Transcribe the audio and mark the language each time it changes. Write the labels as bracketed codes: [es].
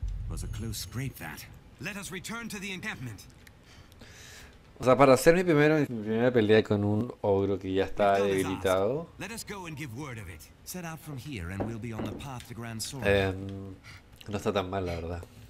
[en] Was a close scrape that. Let us return to the encampment. [es] O sea, para hacer mi primera pelea con un ogro que ya está debilitado. [en] Let us go and give word of it. Set out from here and we'll be on the path to Grand Sword. [es] No está tan mal, la verdad.